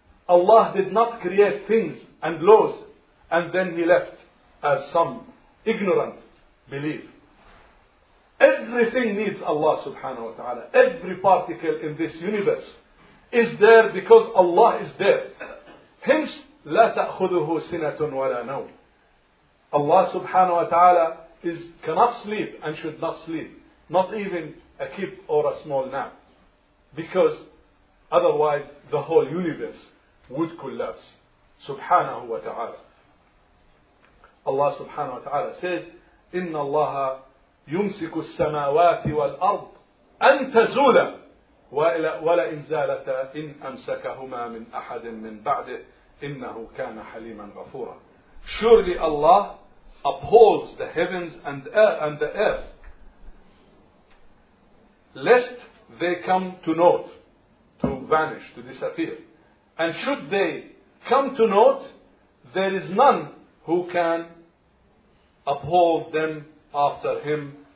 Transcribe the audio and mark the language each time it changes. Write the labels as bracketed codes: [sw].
[en] Allah did not create things and laws and then He left, as some ignorant believe. Everything needs Allah subhanahu wa ta'ala. Every particle in this universe is there because Allah is there. Hence, [ar] لا تأخذه سنة ولا نوم. [en] Allah subhanahu wa ta'ala cannot sleep and should not sleep. Not even a kip or a small nap. Because otherwise the whole universe would collapse. Subhanahu wa ta'ala. [ar] Allah subhanahu wa ta'ala says, إِنَّ اللَّهَ يُمْسِكُ السَّمَاوَاتِ وَالْأَرْضِ أَنْ تَزُولَ وَلَئِنْ زَالَتَا إِنْ أَمْسَكَهُمَا مِنْ أَحَدٍ مِنْ بَعْدِهِ إِنَّهُ كَانَ حَلِيمًا غَفُورًا. [en] Surely Allah upholds the heavens and the earth, lest they come to naught, to vanish, to disappear. And should they come to naught, there is none who can uphold them after Him.